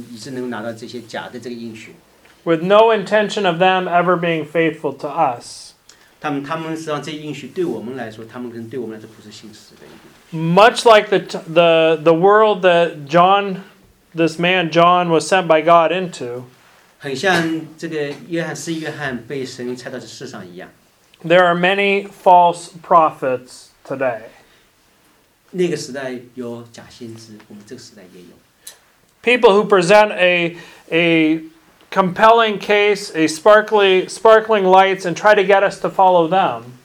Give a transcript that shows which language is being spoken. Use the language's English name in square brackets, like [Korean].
[Chinese] 能够拿到这些假的这个应许。 [English] With no intention of them ever being faithful to us. [Chinese] 他们实际上这应许对我们来说，他们可能对我们来说不是信实的应许。 [English] Much like the world that John, this man John, was sent by God into. [Chinese] 很像这个约翰，使约翰被神差到这世上一样。 [English] There are many false prophets today. [Chinese] 那个时代有假先知，我们这个时代也有。 [English] People who present a compelling case, a sparkling lights, and try to get us to follow them.